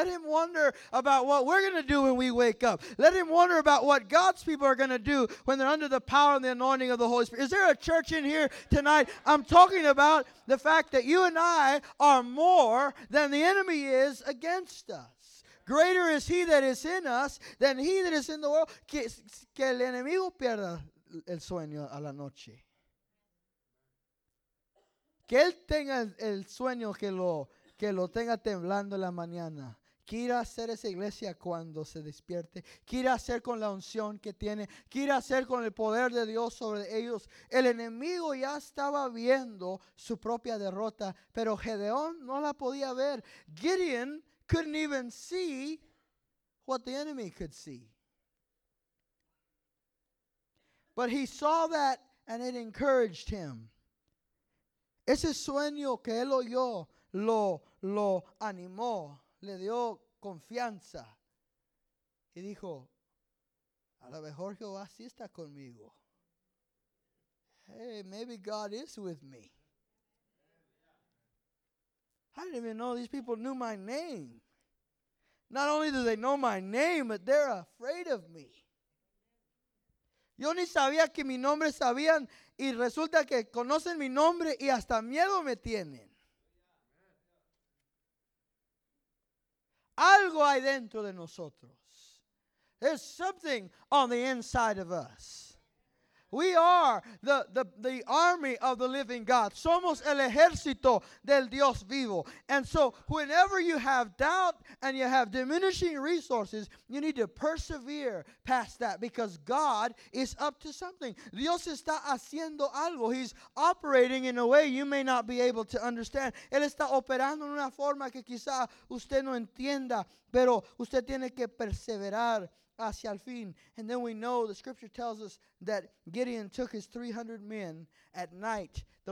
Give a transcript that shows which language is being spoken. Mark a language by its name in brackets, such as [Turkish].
[English] Let him wonder about what we're going to do when we wake up. Let him wonder about what God's people are going to do when they're under the power and the anointing of the Holy Spirit. Is there a church in here tonight? I'm talking about the fact that you and I are more than the enemy is against us. Greater is he that is in us than he that is in the world. [Spanish] Que el enemigo pierda el sueño a la noche. Que él tenga el sueño que lo tenga temblando en la mañana. Quiera hacer esa iglesia cuando se despierte. Quiera hacer con la unción que tiene. Quiera hacer con el poder de Dios sobre ellos. El enemigo ya estaba viendo su propia derrota, pero Gedeón no la podía ver. [English] Gideon couldn't even see what the enemy could see. But he saw that and it encouraged him. [Spanish] Ese sueño que él oyó lo animó, le dio confianza. Y dijo, a lo mejor Jehová sí está conmigo. [English] Hey, maybe God is with me. I didn't even know these people knew my name. Not only do they know my name, but they're afraid of me. [Spanish] Yo ni sabía que mi nombre sabían, y resulta que conocen mi nombre y hasta miedo me tienen. Algo hay dentro de nosotros. [English] There's something on the inside of us. We are the army of the living God. [Spanish] Somos el ejército del Dios vivo. [English] And so whenever you have doubt and you have diminishing resources, you need to persevere past that because God is up to something. [Spanish] Dios está haciendo algo. [English] He's operating in a way you may not be able to understand. [Spanish] Él está operando en una forma que quizá usted no entienda, pero usted tiene que perseverar. Hacia el fin. [English] And then we know the scripture tells us that Gideon took his 300 men at night.